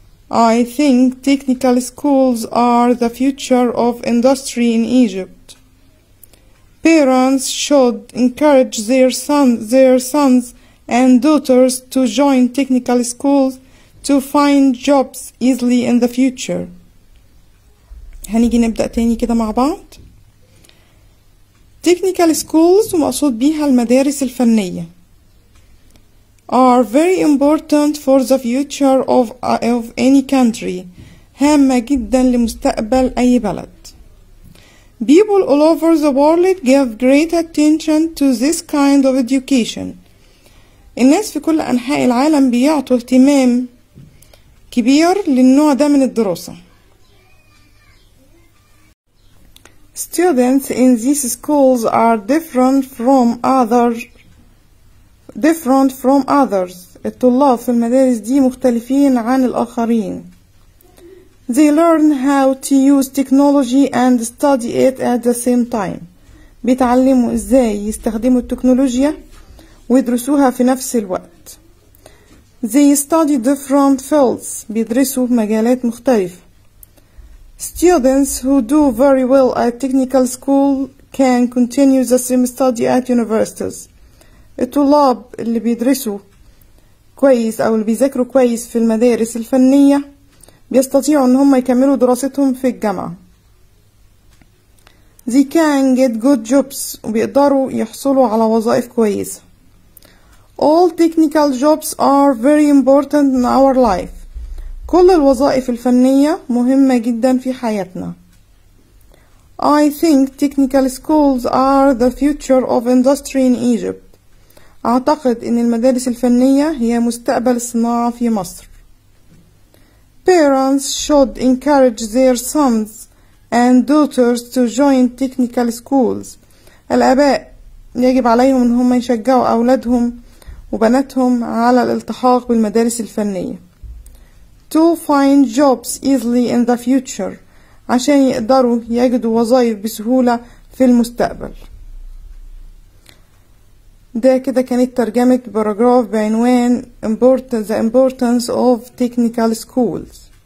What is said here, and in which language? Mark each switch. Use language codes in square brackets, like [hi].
[en] I think technical schools are the future of industry in Egypt. Parents should encourage their sons and daughters to join technical schools to find jobs easily in the future. [ar] هنيجي نبدأ تاني كده مع بعض. [en] Technical schools [ar] ومقصود بيها المدارس الفنية [en] are very important for the future of any country. [ar] هامة جدا لمستقبل أي بلد. [en] People all over the world give great attention to this kind of education. [ar] الناس في كل أنحاء العالم بيعطوا اهتمام كبير للنوع ده من الدراسة. [en] Students in these schools are different from others. [ar] الطلاب في المدارس دي مختلفين عن الآخرين. [en] They learn how to use technology and study it at the same time. [ar] بيتعلموا ازاي يستخدموا التكنولوجيا ويدرسوها في نفس الوقت. [en] They study different fields. [ar] بيدرسوا مجالات مختلفة. [en] Students who do very well at technical school can continue the same study at universities. [ar] الطلاب اللي بيدرسوا كويس أو اللي بيذاكروا كويس في المدارس الفنية بيستطيعوا إن هم يكملوا دراستهم في الجامعة. [en] They can get good jobs [ar] وبيقدروا يحصلوا على وظائف كويسة. [en] All technical jobs are very important in our life. [ar] كل الوظائف الفنية مهمة جدا في حياتنا. [en] I think technical schools are the future of industry in Egypt. [ar] أعتقد إن المدارس الفنية هي مستقبل الصناعة في مصر. [en] Parents should encourage their sons and daughters to join technical schools. [ar] الآباء يجب عليهم إن هم يشجعوا أولادهم وبناتهم على الالتحاق بالمدارس الفنية. [en] To find jobs easily in the future. [ar] عشان يقدروا يجدوا وظائف بسهولة في المستقبل. ده كده كانت ترجمة براجراف بعنوان [en] The Importance of Technical Schools.